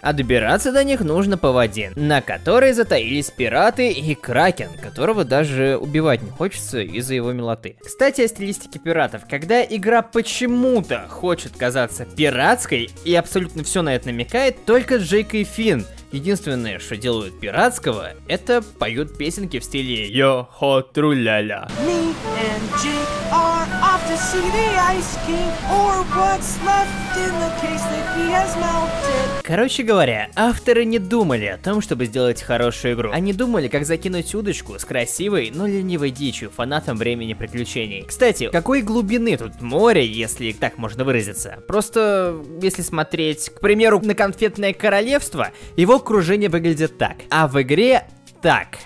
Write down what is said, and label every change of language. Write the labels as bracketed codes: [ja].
[ru] А добираться до них нужно по воде, на которой затаились пираты и кракен, которого даже убивать не хочется из-за его милоты. Кстати, о стилистике пиратов. Когда игра почему-то хочет казаться пиратской, и абсолютно все на это намекает, только Джейк и Финн Единственное, что делают пиратского, это поют песенки в стиле «Йо-хо, тру-ля-ля». [en] Me and Jake are off to see the Ice King, or what's left in the case that he has melted. [ru] Короче говоря, авторы не думали о том, чтобы сделать хорошую игру. Они думали, как закинуть удочку с красивой, но ленивой дичью фанатам времени приключений. Кстати, какой глубины тут море, если так можно выразиться? Просто, если смотреть, к примеру, на конфетное королевство, его окружение выглядит так. А в игре... так.